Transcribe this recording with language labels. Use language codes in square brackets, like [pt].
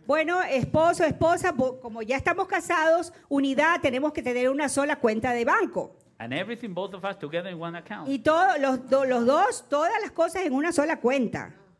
[es] Bueno, esposo, esposa, como ya estamos casados, unidad, tenemos que tener una sola cuenta de banco. [en] And everything, both of us together in one account. [es] Y todos los dos, todas las cosas en una sola cuenta.